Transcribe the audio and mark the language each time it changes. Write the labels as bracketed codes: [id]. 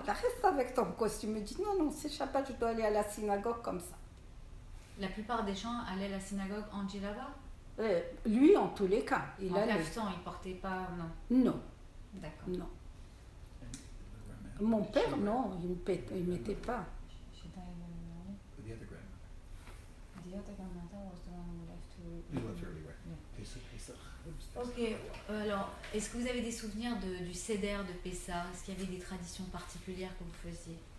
[fr] Là, reste avec ton costume. Me dit non, c'est Shabbat, je dois aller à la synagogue comme ça. La plupart des gens allaient à la synagogue en djellaba? Lui, en tous les cas. Il en caftan, il portait pas, non? Non. D'accord. Non. Mon père, non, il ne mettait pas. [en] The other grandmother. The other grandmother was the one who left to... He left early, right? Yeah. [fr] Ok, alors, est-ce que vous avez des souvenirs du Seder de Pessah? Est-ce qu'il y avait des traditions particulières que vous faisiez?